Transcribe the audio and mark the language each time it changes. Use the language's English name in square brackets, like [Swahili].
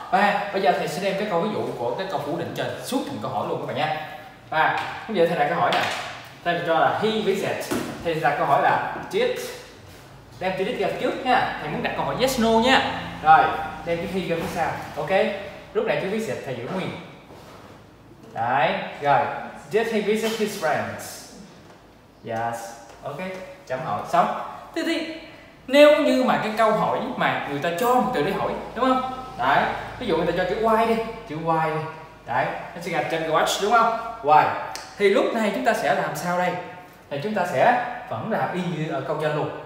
[Vietnamese] Và bây giờ thầy sẽ đem cái câu ví dụ của cái câu phủ định trên suốt thành câu hỏi luôn các bạn nha. Và bây giờ thầy đặt câu hỏi nè, thầy cho là [English] he visited. [Vietnamese] Thì ra câu hỏi là did. Đem did ra trước nha. Thầy muốn đặt câu hỏi yes no nha. Rồi, đem cái he ra phía sau. Ok. Lúc này chữ visit thầy giữ nguyên. Đấy, rồi. [English] Did he visit his friends? [Vietnamese] Yes. Ok. Chấm hỏi xong. Thì nếu như mà cái câu hỏi mà người ta cho một từ để hỏi, đúng không? Đấy. Ví dụ người ta cho chữ why đi, chữ why đi. Đấy, nó sẽ gặp trên watch đúng không? Why. Thì lúc này chúng ta sẽ làm sao đây? Thì chúng ta sẽ vẫn là y như ở câu trên luôn.